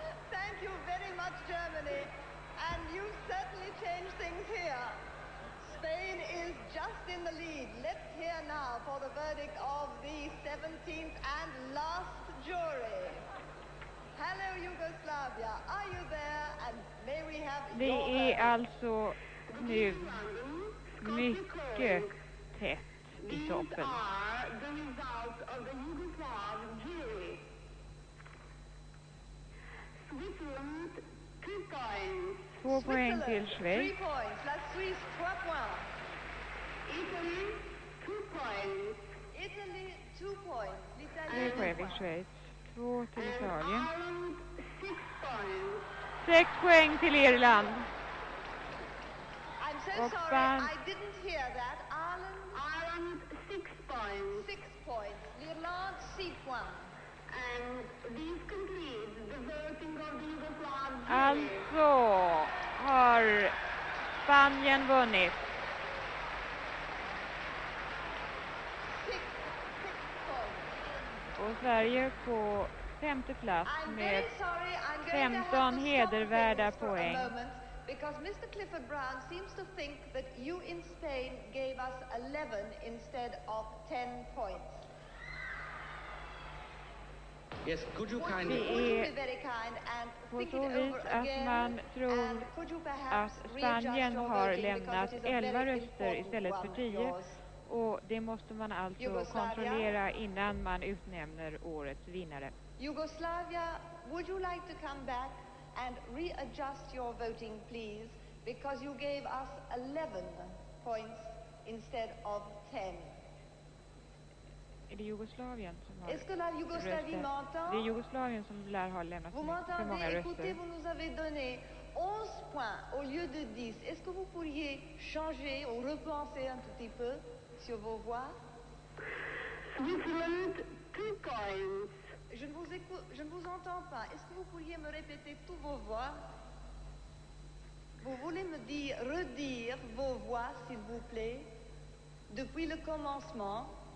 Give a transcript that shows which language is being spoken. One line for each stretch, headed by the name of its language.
English: Thank you very much, Germany. And you certainly changed things here. Spain is just in the lead. Let's hear now for the verdict of the 17th and last jury. Hello, Yugoslavia. Are you there? And may we have your verdict?
Swedish: Det är alltså nu mycket tätt i toppen.
English: These are the results of the Yugoslav jury. Switzerland, 2 points.
Swedish: 2 poäng till Schweiz.
English: 3 points. La Suisse, 3 points. Italy, 2 points. Italy, 2 points. Italy, 2 points. Italy, 2 points. 2 till Italien. Ireland, 6 points.
Swedish: 6 poäng till Irland.
English: I'm so sorry, I didn't hear that. Ireland, 6 points. 6 points. L'Irland, 6 points. And this completes the voting of the Yugoslav jury.
Swedish: Alltså har Spanien vunnit.
English: Six
Swedish: och Sverige på femte plats med 15 hedervärda poäng.
English: Because Mr. Clifford Brown seems to think that you in Spain gave us 11 instead of 10 points. Yes, could you kindly be very kind and think it over again?
Swedish: Man tror att Spanien har lämnat 11 röster istället för 10, och det måste man alltså kontrollera innan man utnämner årets vinnare.
English: Yugoslavia, would you like to come back and readjust your voting, please, because you gave us 11 points instead of 10.
Swedish: Är det Jugoslavien som har
French: Est-ce que la Yougoslavie m'entend?
Swedish: Det är Jugoslavien som lär har lämnat
French: vous m'entendez?
Swedish: För många röster.
French: Écoutez, vous nous avez donné 11 points au lieu de 10. Est-ce que vous pourriez changer ou repenser un tout petit peu sur vos voix?
English: Switzerland, 2 points.
French: Je ne vous entends pas. Est-ce que vous pourriez me répéter toutes vos voix? Vous voulez me dire, redire vos voix, s'il vous plaît, depuis le commencement?